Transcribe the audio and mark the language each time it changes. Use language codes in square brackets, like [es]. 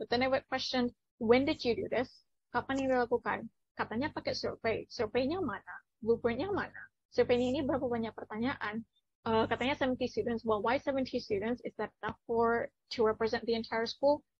[en] But then I would question, when did you do this? [id] Kapan ini dilakukan? Katanya pakai survey. Surveynya mana? Blueprintnya mana? Surveynya ini berapa banyak pertanyaan? Katanya [en] 70 students, well why 70 students, is that enough for to represent the entire school?